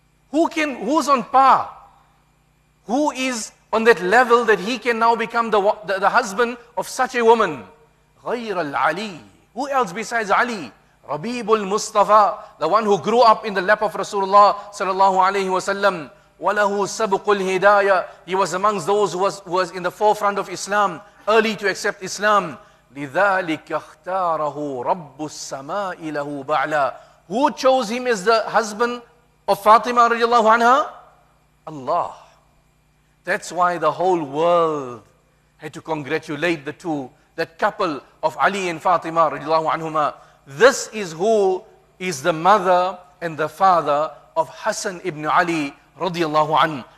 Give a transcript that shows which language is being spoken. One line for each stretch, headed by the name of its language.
English: Who's on par? Who is on that level that he can now become the husband of such a woman?
Arabic: غير العلي.
English: Who else besides Ali?
Arabic: ربيب المصطفى,
English: the one who grew up in the lap of Rasulullah sallallahu alaihi wasallam.
Arabic: وله سبق الهداية.
English: He was amongst those who was in the forefront of Islam, early to accept Islam.
Arabic: لذلك اختاره رب السماء له بعلا.
English: Who chose him as the husband of Fatima radiallahu anha? Allah. That's why the whole world had to congratulate the two, that couple of Ali and Fatima radiallahu anhuma. This is who is the mother and the father of Hassan ibn Ali radiallahu an.